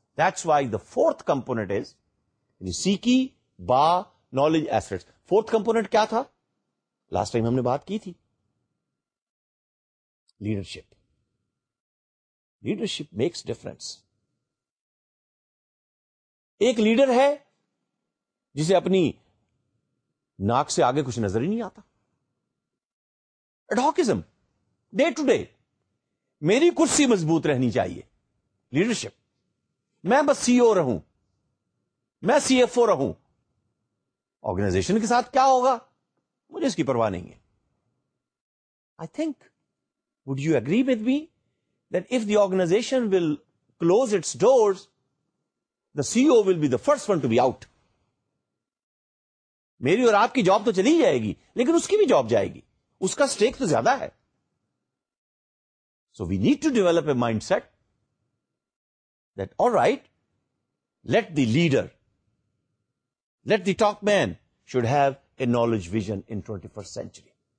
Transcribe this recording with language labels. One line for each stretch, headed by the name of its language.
English: That's why the fourth component is سیکی با knowledge assets.
Urdu: Fourth component کیا تھا؟ Last time ہم نے بات کی تھی، لیڈرشپ.
English: Leadership makes difference.
Urdu: ایک لیڈر ہے جسے اپنی ناک سے آگے کچھ نظر ہی نہیں آتا. ایڈہاکزم ڈے ٹو ڈے. میری کرسی مضبوط رہنی چاہیے، لیڈرشپ. میں بس سی او رہوں، میں سی ایف او رہوں، آرگنائزیشن کے ساتھ کیا ہوگا مجھے اس کی پرواہ نہیں ہے.
English: I think would you agree with me that if the organisation will close its doors, the CEO will be the first one to be out.
Urdu: میری اور آپ کی جاب تو چلی جائے گی، لیکن اس کی بھی جاب جائے گی، اس کا سٹیک تو زیادہ ہے.
English: So we need to develop a mindset that all right, let the leader, let the top man should have a knowledge vision in 21st century.